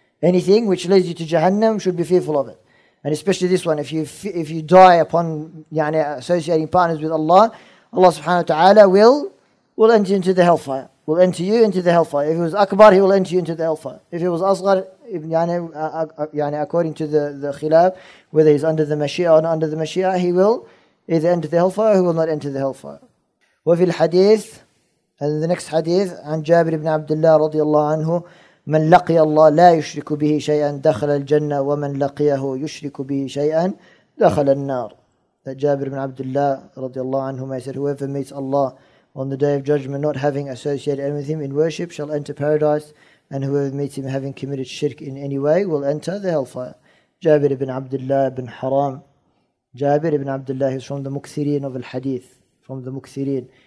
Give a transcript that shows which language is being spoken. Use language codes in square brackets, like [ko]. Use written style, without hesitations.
[en] Anything which leads you to Jahannam should be fearful of it. And especially this one, if you die upon associating partners with Allah, Allah subhanahu wa ta'ala will enter into the hellfire. Will enter you into the hellfire. If it was Akbar, he will enter you into the hellfire. If it was Asghar, according to the khilaf, whether he's under the Mashiach or not under the Mashiach, he will either enter the hellfire or he will not enter the hellfire. [ar] وفي الحديث, [en] and the next hadith, [ar] عن جابر بن عبد الله رضي الله عنه, من لقي الله لا يشرك به شيئا دخل الجنة ومن لقيه يشرك به شيئا دخل النار. [en] That Jabir ibn Abdullah [ar] رضي الله عنه, [en] he said, whoever meets Allah on the day of judgment not having associated him with him in worship shall enter paradise, and whoever meets him having committed shirk in any way will enter the hellfire. Jabir ibn Abdullah ibn Haram. Jabir ibn Abdullah is from the Mukthirin of al-Hadith. From the Mukthirin.